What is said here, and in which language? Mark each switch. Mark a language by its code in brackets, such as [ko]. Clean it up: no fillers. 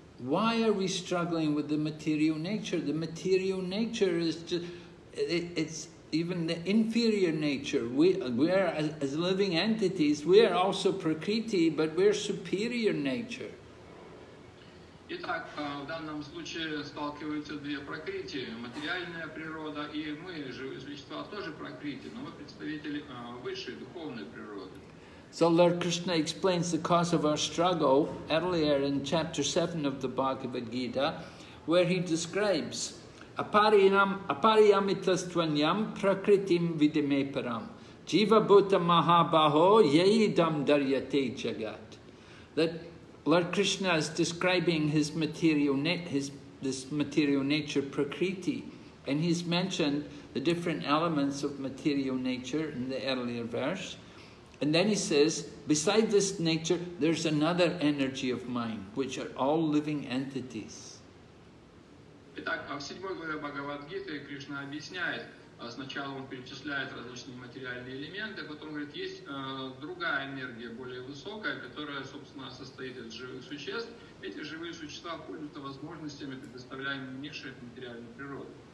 [en] Why are we struggling with the material nature? The material nature is just... It's even the inferior nature. We are, as living entities, we are also prakriti, but we're superior nature. [ru] Итак, в данном случае сталкиваются две прокрити, материальная природа, и мы, живые существа, тоже прокрити, но мы представители высшей духовной природы. [en] So Lord Krishna explains the cause of our struggle earlier in chapter 7 of the Bhagavad Gita. where he describes [sa] Apariyamitastvanyam prakritim vidimeparam jiva bhuta mahabaho yeidam daryate jagat. [en] That Lord Krishna is describing his material this material nature prakriti, and he's mentioned the different elements of material nature in the earlier verse. And then he says, beside this nature, there's another energy of mind, which are all living entities. [ru] Итак, в 7 главе Бхагавад-гиты Кришна объясняет, сначала он перечисляет различные материальные элементы, потом говорит, есть другая энергия, более высокая, которая, собственно, состоит из живых существ. Эти живые существа пользуются возможностями, предоставляемыми низшей материальной природы.